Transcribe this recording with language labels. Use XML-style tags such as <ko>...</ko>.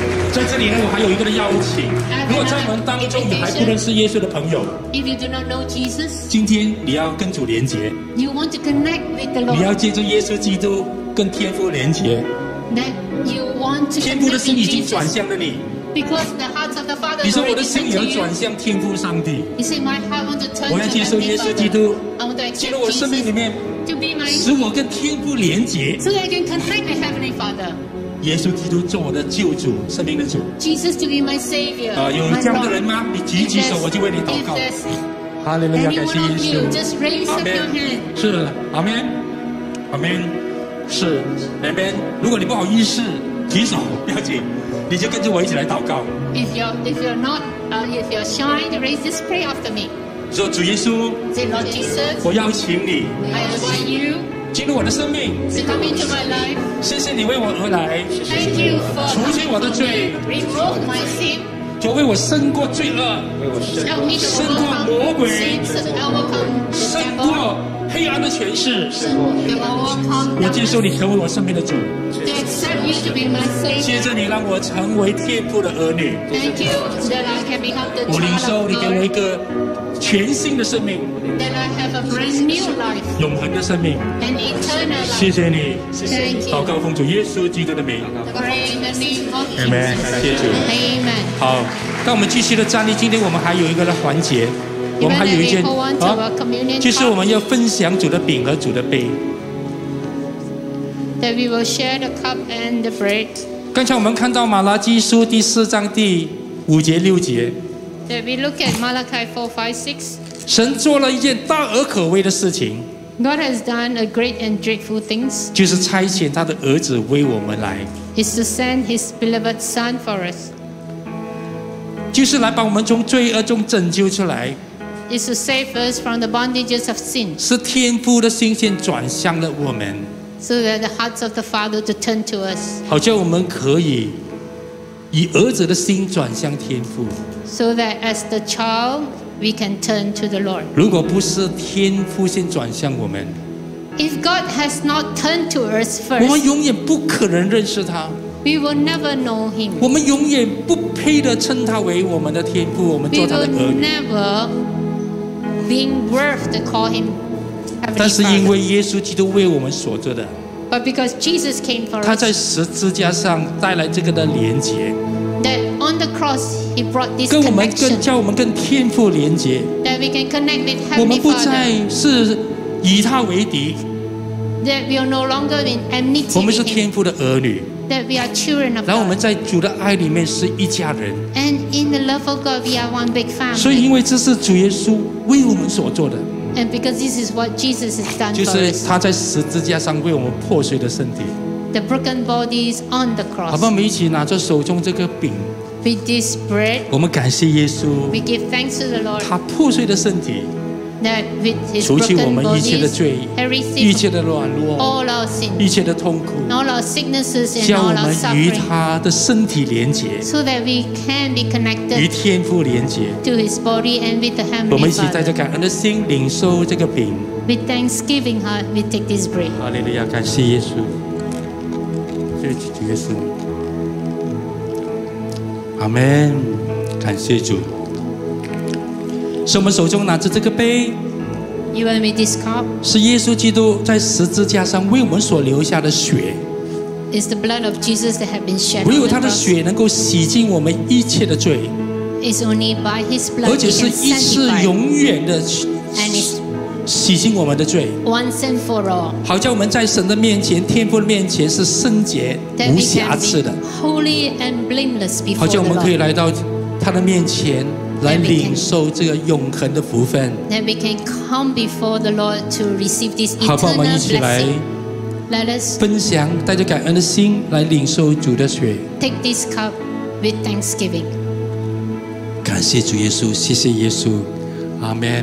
<zh>在这里呢，我还有一个的邀请。如果在我们当中你还不认识耶稣的朋友，</zh> <en>If you do not know Jesus,</en> <zh>今天你要跟主连结，</zh> <en>you want to connect with the Lord,</en> <zh>你要借助耶稣基督跟天父连结，</zh> <en>that you want to</en> <zh>天父的心已经转向了你。</zh> <en>Because the hearts of the Father,</en> <zh>你说我的心要转向天父上帝。</zh> <en>You say my heart want to turn to my Father.</en> <zh>我要接受耶稣基督，</zh> <en>I want to accept Jesus.</en> <zh>进入我生命里面，</zh> <en>to be my</en> <zh>使我跟天父连结，</zh> <en>so that I can connect with Heavenly Father.</en> <zh>耶稣基督做我的救主，生命的主。</zh> <en>Jesus to be my savior.</en> <zh>有这样的人吗？你举起手，我就为你祷告。哈利路亚，感谢耶稣。阿门。是，阿门。阿门。是，阿门。如果你不好意思，举手不要紧，你就跟着我一起来祷告。</zh> <en>If you're shy, to raise this prayer after me.</en> <zh>说主耶稣。</zh> <en>Say Lord Jesus.</en> <zh>我邀请你。</zh> <en>I invite you.</en> <zh>进入我的生命。</zh> <en>To come into my life.</en> <zh>谢谢你为我而来。</zh> <en>Thank you for</en> <zh>除去我的罪。</zh> <en>Remove my sin.</en> <zh>就为我胜过罪恶。</zh> <en>Help me to overcome</en> <zh>魔鬼。胜过黑暗的权势。</zh> <en>Help me to overcome.</en> <zh>我接受你成为我生命的主。</zh> <en>To accept you to be my savior.</en> <zh>接着你让我成为天父的儿女。</zh> <en>Thank you that I can become the child of God.</en> <zh>我领受你给我一个全新的生命。</zh> <en>Then I have a brand new life. An eternal life.</en> <zh>谢谢你。</zh> <en>Thank you.</en> <zh>祷告奉主耶稣基督的名。</zh> <en>Pray in the name of Jesus.</en> <zh>Amen. 谢谢主。</zh> <en>Amen.</en> <zh>好，那我们继续的站立。今天我们还有一个的环节，我们还有一件啊，就是我们要分享主的饼和主的杯。</zh> <en>That we will share the cup and the bread.</en> <zh>刚才我们看到马拉基书第四章第五节六节。</zh> <en>That we look at Malachi 4:5-6.</en> <zh>神做了一件大而可畏的事情。</zh> <en>God has done a great and dreadful things.</en> <zh>就是差遣他的儿子为我们来。</zh> <en>Is to send his beloved son for us.</en> <zh>就是来把我们从罪恶中拯救出来。</zh> <en>Is to save us from the bondages of sin.</en> <zh>是天父的心先转向了我们。</zh> <en>So that the hearts of the Father to turn to us.</en> <zh>好像我们可以以儿子的心转向天父。</zh> <en>So that as the child, we can turn to the Lord.</en> <zh>如果不是天父先转向我们，</zh> <en>If God has not turned to us first,</en> <zh>我们永远不可能认识他。</zh> <en>We will never know him.</en> <zh>我们永远不配的称他为我们的天父，我们做他的儿女。</zh> <en>We will never being worth to call him.</en> <zh>但是因为耶稣基督为我们所做的。</zh> <en>But because Jesus came for us,</en> <zh>他在十字架上带来这个的连结。</zh> <en>That on the cross he brought this</en> <zh>connection. 叫我们跟天父连结。</zh> <en>That we can connect with Heavenly</en> <zh>Father. 我们不再是以他为敌。</zh> <en>That we are no longer in enmity.</en> <zh>我们是天父的儿女。</zh> <en>That we are children of God.</en> <zh>然后我们在主的爱里面是一家人。</zh> <en>And in the love of God, we are one big family.</en> <zh>所以因为这是主耶稣为我们所做的。</zh> <en>And because this is what Jesus has done for us.</en> <zh>就是他在十字架上为我们破碎的身体。</zh> <en>The broken bodies on the cross.</en> <zh>好不好？我们一起拿着手中这个饼。</zh> <en>With this bread.</en> <zh>我们感谢耶稣。</zh> <en>We give thanks to the Lord.</en> <zh>他破碎的身体。</zh> <en>That with his</en> <zh>除去我们一切的罪，</zh> <en>bodies,</en> <zh>一切的软弱，</zh> <en>all our sins,</en> <zh>一切的痛苦，</zh> <en>all our sicknesses and</en> <zh>叫我们与他的身体连结，</zh> <en>so that we can be connected</en> <zh>与天父连结，</zh> <en>to his body and with the Heavenly Father.</en> <zh>我们一起带着感恩的心领受这个饼，</zh> <en>with thanksgiving heart we take this bread.</en> <zh>哈利路亚，感谢耶稣，谢谢主耶稣，阿们，感谢主。是我们手中拿着这个杯，</zh> <en>you and me this cup,</en> <zh>是耶稣基督在十字架上为我们所流下的血，</zh> <en>is the blood of Jesus that have been shed.</en> <zh>唯有他的血能够洗净我们一切的罪，</zh> <en>is only by his blood,</en> <zh>而且是一次永远的洗净我们的罪，</zh> <en>once and for all,</en> <zh>好叫我们在神的面前，天父的面前是圣洁无瑕疵的，</zh> <en>holy and blameless before the Lord.</en> <zh>好叫我们可以来到他的面前来领受这个永恒的福分。</zh> <en>Then we can come before the Lord to receive this eternal blessing.</en> <zh>好，我们一起来，</zh> <en>let us</en> <zh>分享，带着感恩的心来领受主的血。</zh> <en>Take this cup with thanksgiving.</en> <zh>感谢主耶稣，谢谢耶稣，阿门。</zh>